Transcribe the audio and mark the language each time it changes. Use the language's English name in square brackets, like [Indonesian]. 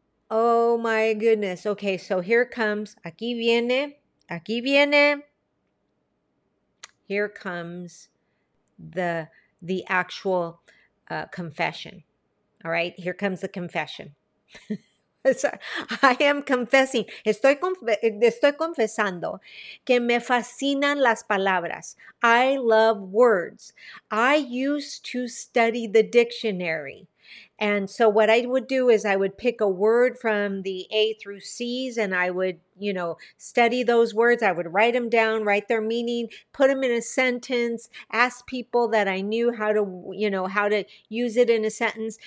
[English] Oh my goodness. Okay, so here comes, [Spanish] aquí viene. [English] Here comes the actual confession. All right, here comes the confession. I am confessing, [Spanish] estoy confesando que me fascinan las palabras. [English] I love words. I used to study the dictionary. And so what I would do is I would pick a word from the A through C's and I would, you know, study those words. I would write them down, write their meaning, put them in a sentence, ask people that I knew how to use it in a sentence.